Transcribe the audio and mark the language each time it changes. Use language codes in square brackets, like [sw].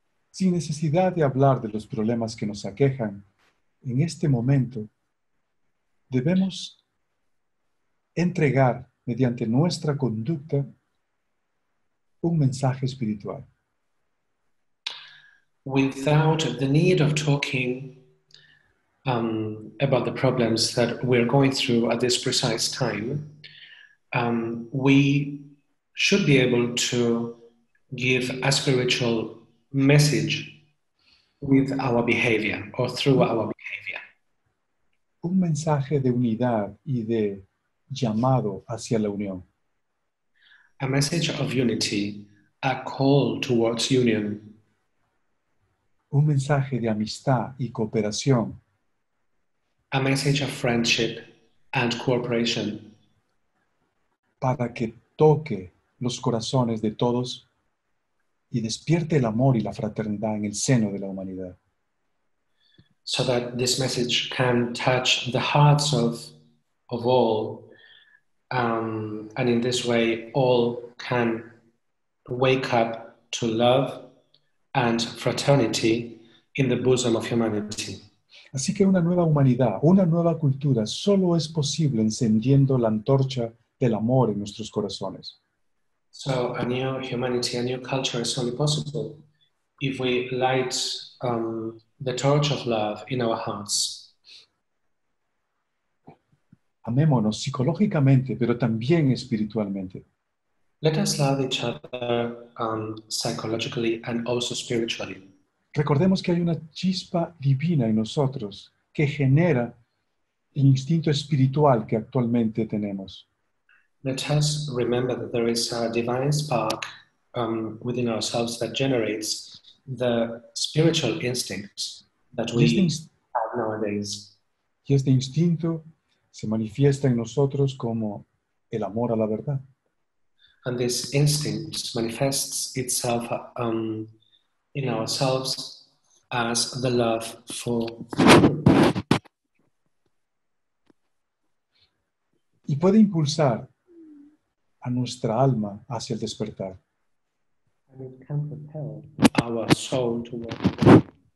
[es] Sin necesidad de hablar de los problemas que nos aquejan, en este momento debemos entregar mediante nuestra conducta un mensaje espiritual. [en] Without the need of talking about the problems that we're going through at this precise time, we should be able to give a spiritual message with our behavior or through our behavior. [es] Un mensaje de unidad y de llamado hacia la unión. [en] A message of unity, a call towards union. [es] Un mensaje de amistad y cooperación. [en] A message of friendship and cooperation. [es] Para que toque los corazones de todos y despierte el amor y la fraternidad en el seno de la humanidad. [en] So that this message can touch the hearts of all, and in this way all can wake up to love and fraternity in the bosom of humanity. [es] Así que una nueva humanidad, una nueva cultura, solo es posible encendiendo la antorcha del amor en nuestros corazones. [en] So a new humanity, a new culture is only possible if we light the torch of love in our hearts. [es] Amémonos psicológicamente, pero también espiritualmente. [en] Let us love each other psychologically and also spiritually. [es] Recordemos que hay una chispa divina en nosotros que genera el instinto espiritual que actualmente tenemos. [en] Let us remember that there is a divine spark within ourselves that generates the spiritual instinct that we have nowadays. [es] Y este instinto se manifiesta en nosotros como el amor a la verdad. [en] And this instinct manifests itself in ourselves as the love for. [es] Y puede impulsar a nuestra alma hacia el despertar. [en] And it can propel our soul to work.